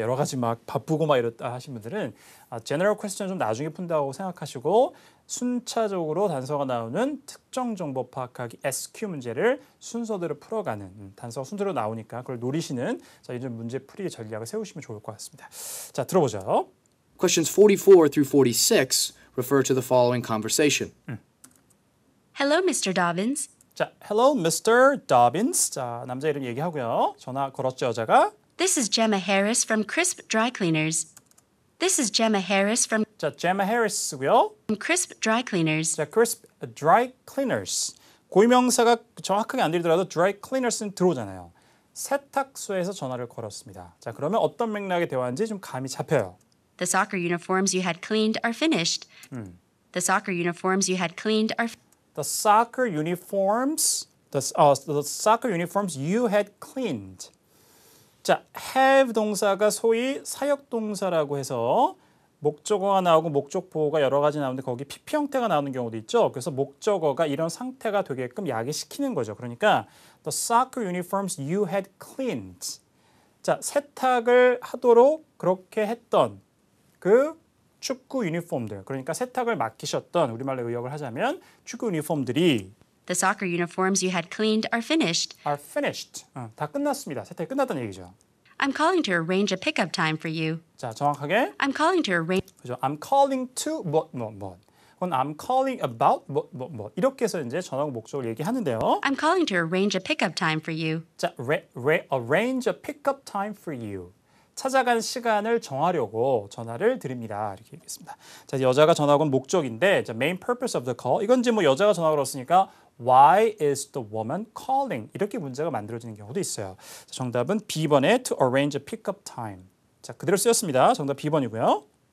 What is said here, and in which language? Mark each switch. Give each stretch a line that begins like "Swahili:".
Korean: 여러 가지 막 바쁘고 막 이렇다 하신 분들은 general question 좀 나중에 푼다고 생각하시고 순차적으로 단서가 나오는 특정 정보 파악하기 SQ 문제를 순서대로 풀어가는 단서가 순서로 나오니까 그걸 노리시는 자, 이제 문제풀이 전략을 세우시면 좋을 것 같습니다. 자, 들어보죠.
English: Questions 44 through 46 refer to the following conversation. Hello, Mr. Dobbins. 자, hello, Mr. Dobbins.
Korean: 자, 남자 이름 얘기하고요. 전화 걸었죠, 여자가?
English: This is Gemma Harris from Crisp Dry Cleaners. This is Gemma Harris from
Korean: 자, Gemma Harris고요.
English: From Crisp Dry Cleaners.
Korean: 자, Crisp Dry Cleaners. 고유명사가 정확하게 안 들리더라도 Dry Cleaners는 들어오잖아요. 세탁소에서 전화를 걸었습니다. 자, 그러면 어떤 맥락의 대화인지 좀 감이 잡혀요.
English: The soccer uniforms you had cleaned are finished. The soccer uniforms you had cleaned are The soccer uniforms the soccer uniforms you had cleaned.
Korean: 자, have 동사가 소위 사역 동사라고 해서 목적어가 나오고 목적보호가 여러 가지 나오는데 거기 PP 형태가 나오는 경우도 있죠. 그래서 목적어가 이런 상태가 되게끔 야기시키는 거죠. 그러니까
English: the soccer uniforms you had cleaned.
Korean: 자, 세탁을 하도록 그렇게 했던 그 축구 유니폼들, 그러니까 세탁을 맡기셨던 우리말로 의역을 하자면 축구 유니폼들이
English: The soccer uniforms you had cleaned are finished. Are finished.
Korean: 다 끝났습니다. 세탁이 끝났다는 얘기죠.
English: I'm calling to arrange a pickup time for you.
Korean: 자, 정확하게
English: I'm calling to arrange
Korean: 그죠?
English: I'm calling to
Korean: 뭐뭐뭐 그건
English: I'm calling about
Korean: 뭐뭐뭐 이렇게 해서 이제 전화하고 목적을 얘기하는데요.
English: I'm calling to arrange a pickup time for you. 자, arrange a pickup time for you.
Korean: 찾아간 시간을 정하려고 전화를 드립니다. 이렇게 얘기했습니다. 자, 여자가 전화 건 목적인데 자,
English: main purpose of the call.
Korean: 이건 이제 뭐 여자가 전화 걸었으니까
English: why is the woman calling?
Korean: 이렇게 문제가 만들어지는 경우도 있어요. 자, 정답은 B번에
English: to arrange a pickup time.
Korean: 자, 그대로 쓰였습니다. 정답 B번이고요.